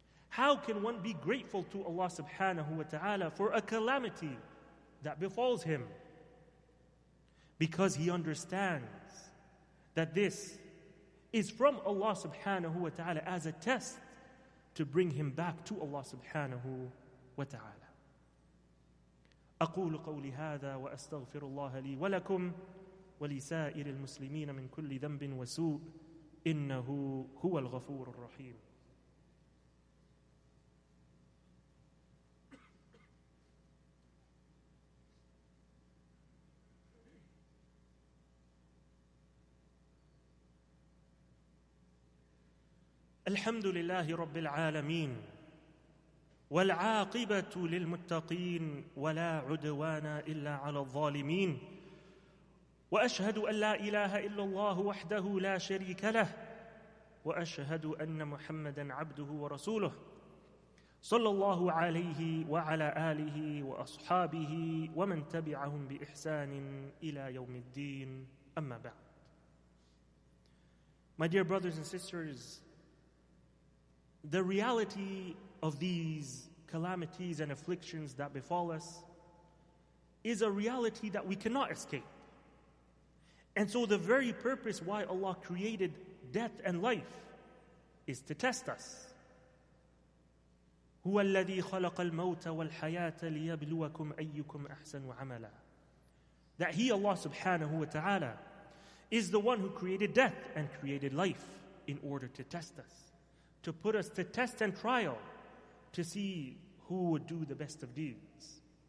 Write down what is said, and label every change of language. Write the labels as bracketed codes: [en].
[en] How can one be grateful to Allah subhanahu wa ta'ala for a calamity that befalls him? Because he understands that this is from Allah subhanahu wa ta'ala as a test to bring him back to Allah subhanahu wa ta'ala. [ar] أقول قولي هذا وأستغفر الله لي ولكم ولسائر المسلمين من كل ذنب وسوء إنه هو الغفور الرحيم. الحمد لله رب العالمين والعاقبة للمتقين ولا عدوان إلا على الظالمين وأشهد أن لا إله إلا الله وحده لا شريك له وأشهد أن محمدا عبده ورسوله صلى الله عليه وعلى آله وأصحابه ومن تبعهم بإحسان إلى يوم الدين أما بعد. [en] My dear brothers and sisters, the reality of these calamities and afflictions that befall us is a reality that we cannot escape. And so the very purpose why Allah created death and life is to test us. [ar] هو الذي خلق الموت والحياة ليبلوكم أيكم أحسن عملا. [en] That He, Allah subhanahu wa ta'ala, is the one who created death and created life in order to test us, to put us to test and trial, to see who would do the best of deeds.